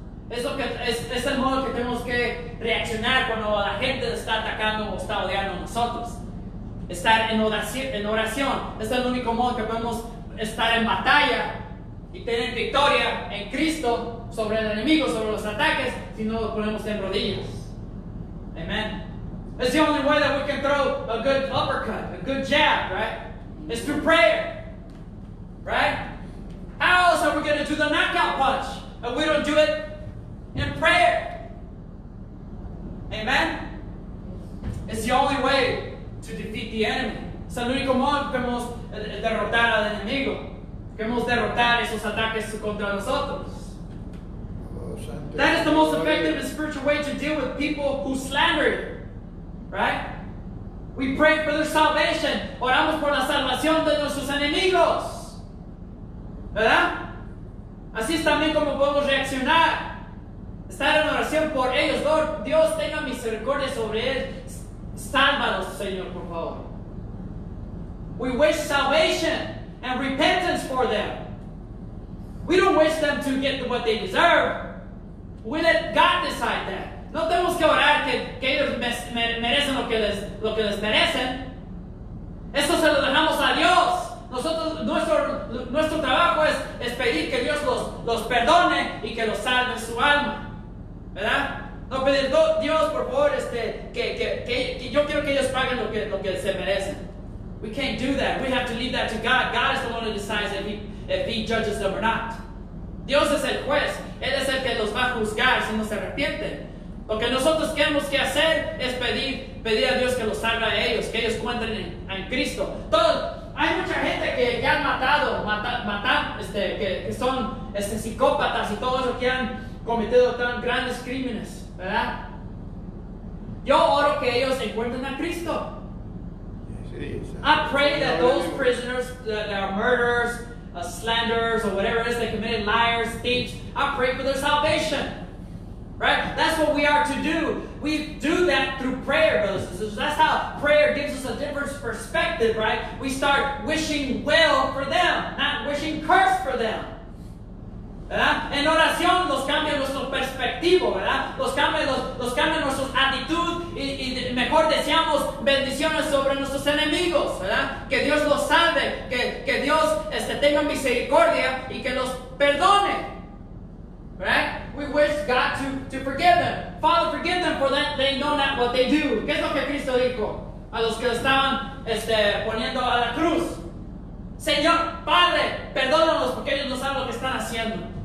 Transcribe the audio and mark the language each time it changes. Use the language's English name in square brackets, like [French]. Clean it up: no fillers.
[Spanish] Es el modo que tenemos que reaccionar cuando la gente está atacando o está odiando a nosotros. Estar en oración. Es el único modo que podemos estar en batalla y tener victoria en Cristo sobre el enemigo, sobre los ataques, si no lo ponemos en rodillas. [English] Amen. That's the only way that we can throw a good uppercut, a good jab, right? It's through prayer, right? How else are we going to do the knockout punch if we don't do it in prayer? Amen? It's the only way to defeat the enemy. [Spanish] Es el único modo que podemos derrotar al enemigo. Que podemos derrotar esos ataques contra nosotros. [English] That is the most effective and spiritual way to deal with people who slander you. Right? We pray for their salvation. [Spanish] Oramos por la salvación de nuestros enemigos. ¿Verdad? Así es también como podemos reaccionar. Estar en oración por ellos. Lord, Dios, tenga misericordia sobre él. Sálvalos, Señor, por favor. [English] We wish salvation and repentance for them. We don't wish them to get what they deserve. We let God decide that. [Spanish] No tenemos que orar que ellos merecen lo que les merecen. Eso se lo dejamos a Dios. Nosotros, nuestro trabajo es pedir que Dios los perdone y que los salve su alma. ¿Verdad? No pedir, Dios, por favor, que yo quiero que ellos paguen lo que se merecen. [English] We can't do that. We have to leave that to God. God is the one who decides if he judges them or not. [Spanish] Dios es el juez. Él es el que los va a juzgar si no se arrepienten. Lo que nosotros tenemos que hacer es pedir a Dios que los salve a ellos, que ellos encuentren en Cristo. Hay mucha gente que han matado, que son psicópatas y todo eso, que han cometido tan grandes crímenes, ¿verdad? Yo oro que ellos encuentren a Cristo. [English] I pray that those prisoners that are murderers, slanderers, or whatever it is they committed, liars, thieves, I pray for their salvation. Right? That's what we are to do. We do that through prayer, brothers and sisters. That's how prayer gives us a different perspective, right? We start wishing well for them, not wishing curse for them. [Spanish] ¿Verdad? En oración los cambia nuestro perspectivo, ¿verdad? Los cambia nuestra actitud y mejor deseamos bendiciones sobre nuestros enemigos, ¿verdad? Que Dios los salve, que Dios tenga misericordia y que los perdone. [English] Right? We wish God to forgive them. Father, forgive them for that they know not what they do. [Spanish] ¿Qué es lo que Cristo dijo a los que estaban poniendo a la cruz? Señor, Padre, perdónalos porque ellos no saben lo que están haciendo.